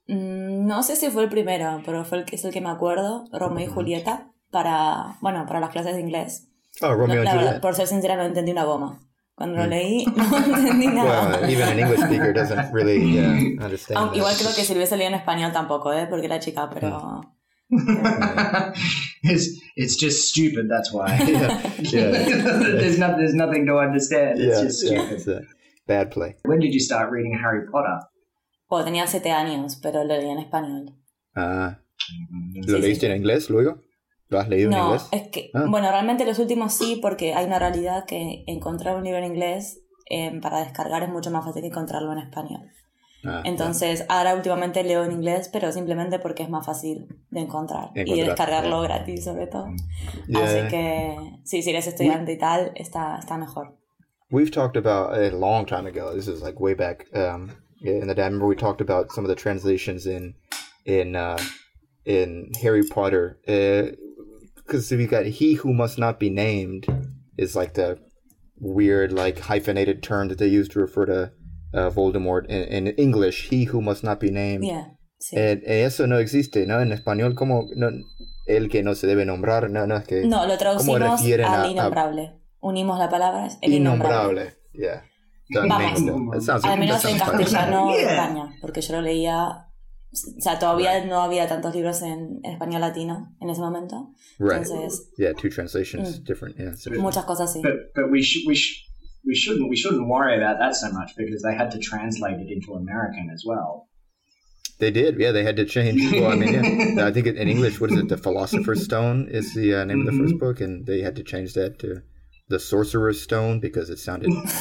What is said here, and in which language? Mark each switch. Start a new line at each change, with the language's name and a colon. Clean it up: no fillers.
Spanish: No sé si fue el primero, pero fue el que me acuerdo. Romeo y Julieta para las clases de inglés.
English: Oh, Romeo and Juliet.
Spanish: Por ser sincera, no entendí una goma. Cuando lo leí, no entendí nada.
English: Well, even an English speaker doesn't really understand.
Spanish: Aunque igual creo que si lo hubiese leído en español tampoco, porque era chica, pero...
English: Yeah. It's just stupid, that's why. Yeah. Yeah. There's nothing to understand. It's just stupid. Yeah, it's a bad play. When did you start reading Harry Potter?
Spanish: Bueno, tenía 7 años, pero lo leí en español. ¿Lo leíste en inglés luego? ¿Lo has leído no, en inglés? No, es que, bueno, realmente los últimos sí, porque hay una realidad que encontrar un libro en inglés para descargar es mucho más fácil que encontrarlo en español. Entonces, ahora últimamente leo en inglés, pero simplemente porque es más fácil de encontrar y de descargarlo gratis, sobre todo.
English: Yeah.
Spanish: Así que, sí, si eres estudiante y tal, está mejor.
English: We've talked about a long time ago, this is like way back in the day, I remember we talked about some of the translations in Harry Potter. Because if you got he who must not be named is like the weird like hyphenated term that they use to refer to Voldemort in English, he who must not be named. Yeah. Sí.
Spanish: Eso no existe, ¿no? En español, como no, el que no se debe nombrar, no, no es que... No, lo traducimos al innombrable. Unimos la palabra, el innombrable. Innombrable, yeah.
English: That sounds
Spanish: al menos en castellano España, porque yo lo leía... O sea, todavía right. no había tantos libros en español latino en ese momento.
English: Right.
Spanish: Entonces,
English: yeah, two translations, different. Yeah, so
Spanish: muchas cosas sí.
English: But we shouldn't worry about that so much, because they had to translate it into American as well. They did. Yeah, they had to change. Well, I mean, yeah. I think in English, what is it? The Philosopher's Stone is the name of the first book, and they had to change that to the Sorcerer's Stone because it sounded.